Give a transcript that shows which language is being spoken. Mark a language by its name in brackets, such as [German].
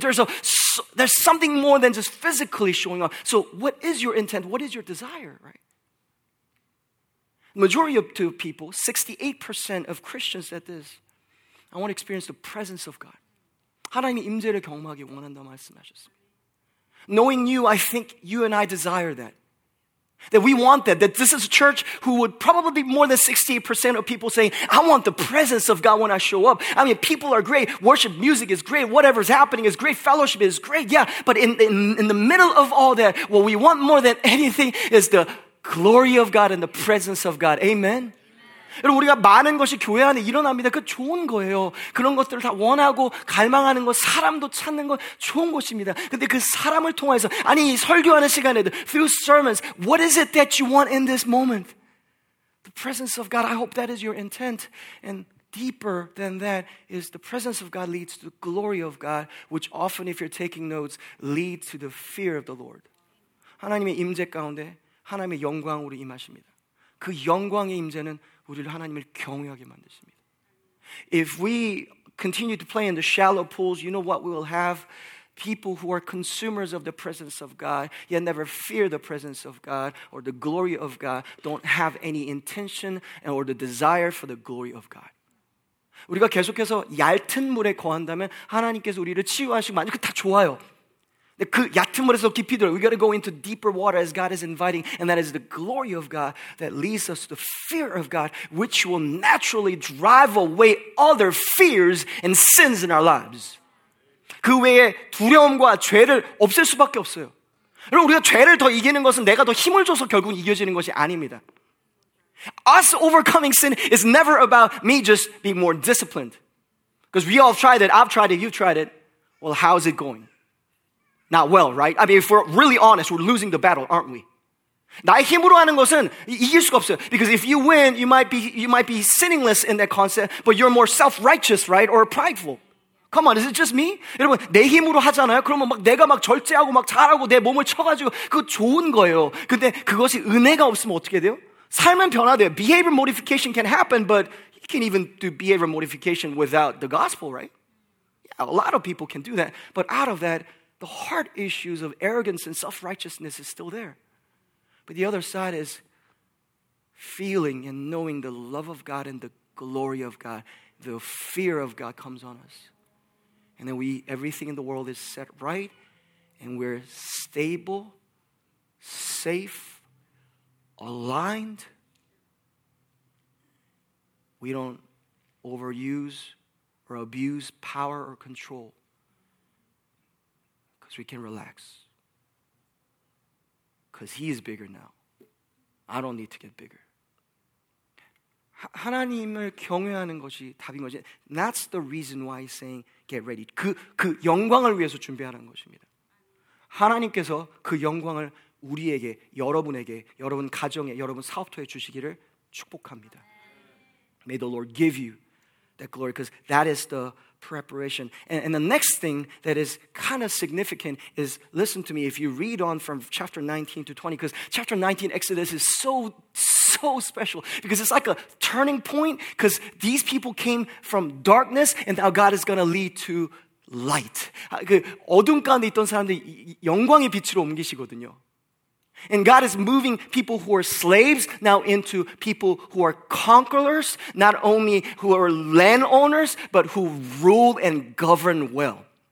[English] There's something more than just physically showing up. So what is your intent? What is your desire, right? Majority of people, 68% of Christians said this, I want to experience the presence of God. [Korean] 하나님이 임재를 경험하기 원한다 말씀하셨습니다. [English] Knowing you, I think you and I desire that. That we want that. That this is a church who would probably be more than 68% of people saying, I want the presence of God when I show up. I mean, people are great. Worship music is great. Whatever's happening is great. Fellowship is great. Yeah, but in the middle of all that, what we want more than anything is the glory of God and the presence of God. Amen. [Korean] 여러분 우리가 많은 것이 교회 안에 일어납니다. 그 좋은 거예요. 그런 것들을 다 원하고 갈망하는 것, 사람도 찾는 것 좋은 것입니다. 근데 그 사람을 통해서 아니 설교하는 시간에도 [English] through sermons, what is it that you want in this moment? The presence of God. I hope that is your intent. And deeper than that is the presence of God leads to the glory of God, which often, if you're taking notes, leads to the fear of the Lord. [Korean] 하나님의 임재 가운데 하나님의 영광으로 임하십니다. 그 영광의 임재는 우리를 하나님을 경외하게 만드십니다. [English] If we continue to play in the shallow pools, you know what we will have? people who are consumers of the presence of God, yet never fear the presence of God or the glory of God, don't have any intention or the desire for the glory of God. [Korean] 우리가 계속해서 얕은 물에 거한다면 하나님께서 우리를 치유하시고 만족, 그거 다 좋아요. 근데 그 얕은 물에서 깊이 들어. [English] We got to go into deeper water as God is inviting, and that is the glory of God that leads us to the fear of God, which will naturally drive away other fears and sins in our lives. [Korean] 그 외에 두려움과 죄를 없앨 수밖에 없어요. 여러분, 우리가 죄를 더 이기는 것은 내가 더 힘을 줘서 결국 이겨지는 것이 아닙니다. [English] Us overcoming sin is never about me just being more disciplined. Because we all tried it, I've tried it, you've tried it. Well, how's it going? Not well, right? I mean, if we're really honest, we're losing the battle, aren't we? [Korean] 나의 힘으로 하는 것은 이길 수가 없어요. [English] Because if you win, you might be sinningless in that concept, but you're more self-righteous, right? Or prideful. Come on, is it just me? [Korean] 여러분, 내 힘으로 하잖아요. 그러면 막 내가 막 절제하고 막 잘하고 내 몸을 쳐가지고 그거 좋은 거예요. 근데 그것이 은혜가 없으면 어떻게 돼요? 삶은 변화돼요. [English] Behavior modification can happen, but you can even do behavior modification without the gospel, right? Yeah, a lot of people can do that. But out of that, the heart issues of arrogance and self-righteousness is still there. But the other side is feeling and knowing the love of God and the glory of God. The fear of God comes on us. And then everything in the world is set right, and we're stable, safe, aligned. We don't overuse or abuse power or control, because we can relax. Because he is bigger now. I don't need to get bigger. [Korean] 하나님을 경외하는 것이 답인 거지. [English] That's the reason why he's saying get ready. [Korean] 그 영광을 위해서 준비하라는 것입니다. 하나님께서 그 영광을 우리에게, 여러분에게, 여러분 가정에, 여러분 사업터에 주시기를 축복합니다. [English] May the Lord give you that glory, because that is the preparation. And the next thing that is kind of significant is, listen to me, if you read on from chapter 19 to 20, because chapter 19, Exodus, is so special, because it's like a turning point, because these people came from darkness, and now God is going to lead to light. [Korean] 그 어둠 가운데 있던 사람들이 영광의 빛으로 옮기시거든요. [English] And God is moving people who are slaves now into people who are conquerors, not only who are landowners, but who rule and govern well.